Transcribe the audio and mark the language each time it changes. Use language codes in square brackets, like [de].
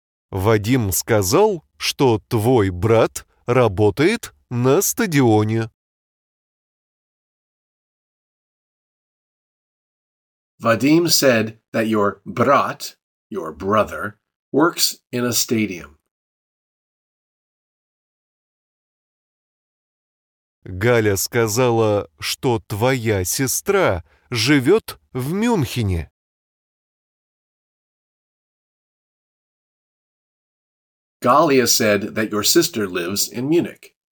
[ru] Вадим сказал, что твой брат работает на стадионе. [en] Вадим said that your брат, your brother, works in a stadium. [ru] Галя сказала, что твоя сестра живет в Мюнхене. [en] Галя said that your sister lives in Munich.